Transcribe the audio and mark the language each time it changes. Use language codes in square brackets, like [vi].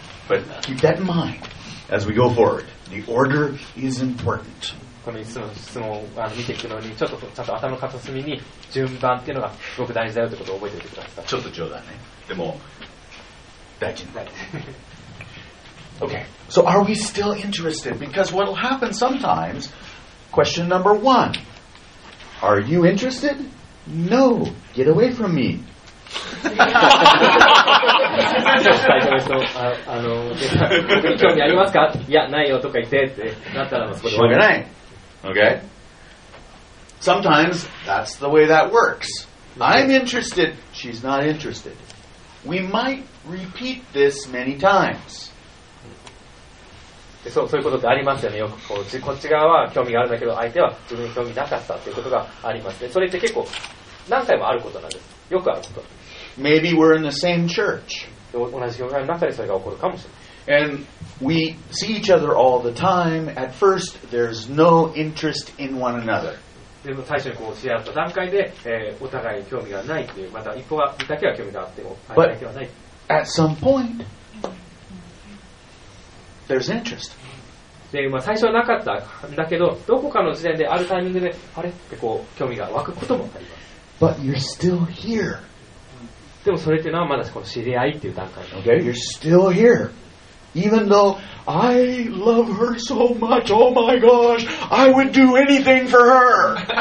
[en] But keep that in mind as we go forward. The order is important. [ja] この質問を見ていくのにちゃんと頭の片隅に順番っていうのがすごく大事だよってことを覚えておいてください。ちょっと冗談ね。でも大事だね。Okay. [en] So are we still interested? Because what will happen sometimes? Question number one. Are you interested? No. Get away from me. [ja] あの興味ありますか？いやないよとか言ってってなったらもうそこで終わりない。Okay. [en] Sometimes that's the way that works. I'm interested, she's not interested. We might repeat this many times. [ja] そういうことってありますよね。よくこっち側は興味があるんだけど、相手は自分に興味なかったということがありますね。それって結構何回もあることなんです。よくあること。 [en] Maybe we're in the same church. [ja] 同じ教会の中でそれが起こるかもしれない。 [en] And we see each other all the time. At first, there's no interest in one another. [ja] でも最初にこう知り合った段階で、お互い興味がないという、また一方だけは興味があっても、相手だけはない。 [en] But at some point, there's interest. [ja] で、まあ、最初はなかったんだけど、どこかの時点であるタイミングで、あれってこう興味が湧くこともあります。 [en] But you're still here. [ja] でもそれっていうのはまだこの知り合いっていう段階。 [en] Okay, you're still here. Even though I love her so much, oh my gosh, I would do anything for her.